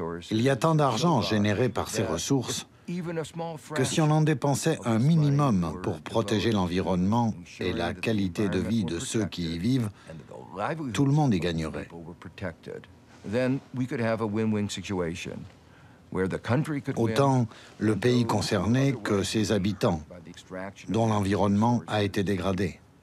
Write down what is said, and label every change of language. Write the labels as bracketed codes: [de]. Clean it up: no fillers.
[fr] Il y a tant d'argent généré par ces ressources que si on en dépensait un minimum pour protéger l'environnement et la qualité de vie de ceux qui y vivent, tout le monde y gagnerait. [en] Then we could have a win-win situation where the country could win. [fr] Autant le pays concerné que ses habitants, dont l'environnement a été dégradé.